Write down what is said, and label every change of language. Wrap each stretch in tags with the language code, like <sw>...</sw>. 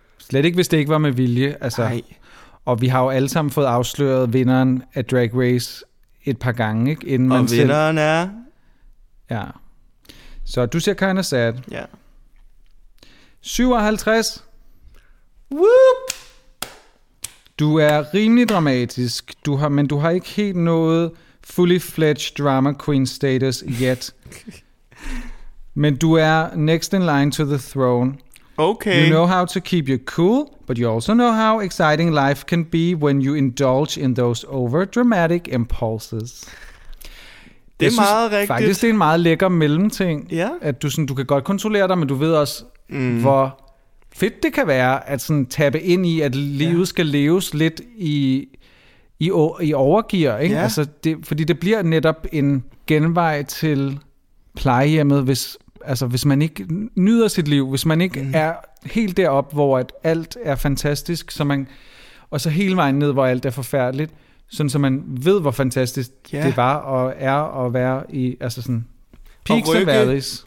<da>Slet ikke, hvis det ikke var med vilje. Altså. Og vi har jo alle sammen fået afsløret vinderen af Drag Race et par gange. Ikke? Inden man vinderen selv... er? Ja. Så du ser</da> <en>kind of sad.</en> <da>Ja. 57. Woop! Du er rimelig dramatisk, men du har ikke helt noget...</da> <en>Fully fledged drama queen status yet.</en> <da>Men du er</da> <en>next in line to the throne. Okay. You know how to keep you cool, but you also know how exciting life can be when you indulge in those overdramatic impulses.</en> <da>Det er meget rigtigt. Faktisk, det er en meget lækker mellemting. Ja. At du, sådan, du kan godt kontrollere dig, men du ved også, hvor fedt det kan være at sådan tappe ind i, at livet skal leves lidt i overgiver, ikke? Ja. Altså fordi det bliver netop en genvej til plejehjemmet, hvis man ikke nyder sit liv, hvis man ikke er helt derop, hvor at alt er fantastisk, og så hele vejen ned, hvor alt er forfærdeligt, sådan så man ved, hvor fantastisk det var og er at være i, altså sådan peak og værdis.</da>